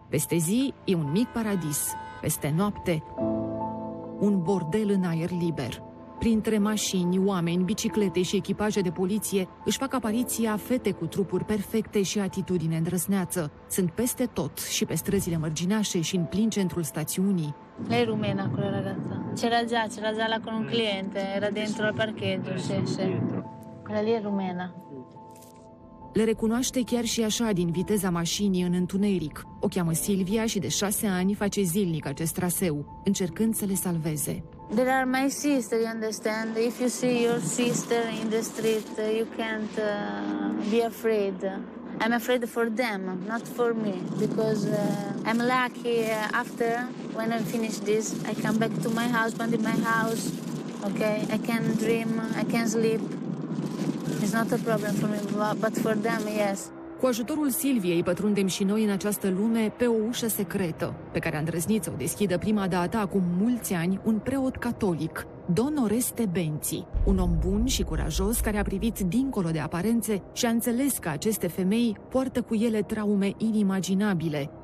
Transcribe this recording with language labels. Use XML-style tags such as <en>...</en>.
<ro>Peste zi e un mic paradis, peste noapte un bordel în aer liber. Printre mașini, oameni, biciclete și echipaje de poliție își fac apariția fete cu trupuri perfecte și atitudine îndrăzneață. Sunt peste tot și pe străzile mărginașe și în plin centrul stațiunii.</ro> <it>Lei rumena,</it> <ro>acolo,</ro> <it>ragazza. C'era già là con un cliente, era dentro al parcheggio, scese. Quella lì è rumena.</it> <ro>Le recunoaște chiar și așa din viteza mașinii în întuneric. O cheamă Silvia și de 6 ani face zilnic acest traseu, încercând să le salveze.</ro> <en>There are my sister, you understand? If you see your sister in the street, you can't be afraid. I'm afraid for them, not for me, because I'm lucky after, when I finish this, I come back to my husband in my house, okay? I can dream, I can sleep. It's not a problem for me, but for them, yes.</en> <ro>Cu ajutorul Silviei pătrundem și noi în această lume pe o ușă secretă, pe care a îndrăznit să o deschidă prima dată acum mulți ani un preot catolic, Don Oreste Benzi, un om bun și curajos care a privit dincolo de aparențe și a înțeles că aceste femei poartă cu ele traume inimaginabile.</ro>